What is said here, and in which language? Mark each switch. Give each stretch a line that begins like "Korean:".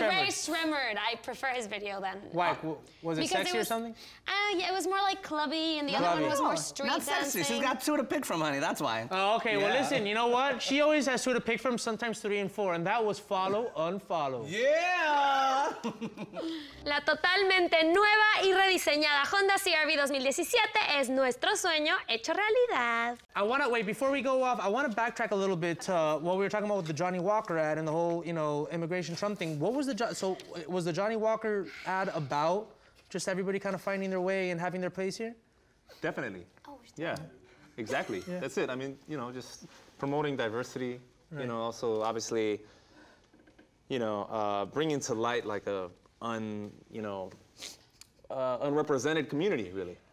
English: Ray Sremmurd? I prefer his video then. Why? Was it sexy or something? Yeah, it was more like clubby, and the other one was more street dancing. Not sexy. She's got two to pick from, honey. That's why. Oh, okay. Yeah. Well, listen, you know what? She always has two to pick from, sometimes three and four, and that was follow, unfollow. Yeah!
Spanish: La totalmente nueva y rediseñada Honda CR-V 2017 es nuestro sueño hecho realidad.
English: Before we go off, I want to backtrack a little bit to what we were talking about with the Johnny Walker ad and the whole, you know, immigration Trump thing. What was was the Johnny Walker ad about just everybody kind of finding their way and having their place here? Definitely. Oh, we're Exactly. Yeah. That's it. I mean, you know, just promoting diversity, you know, also obviously, you know, bringing to light like unrepresented community, really.